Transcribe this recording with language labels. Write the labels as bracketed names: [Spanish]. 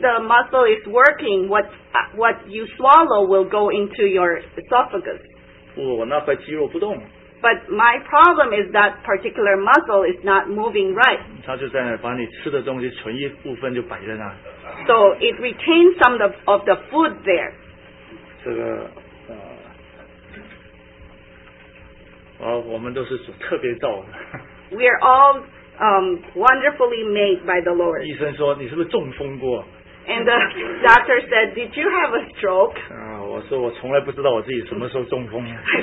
[English] the muscle is working, what you swallow will go into your esophagus. [Chinese] 我那块肌肉不动。 [English] But my problem is that particular muscle is not moving right. [Chinese] 它就在那把你吃的东西存一部分就摆在那。 [English] So it retains some of the food there. [Chinese] 这个，我们都是主特别造的。 [English] We are all wonderfully made by the Lord. [Chinese] 医生说你是不是中风过？ [English] And the doctor said, "Did you have a stroke?" [Chinese] 我说我从来不知道我自己什么时候中风。I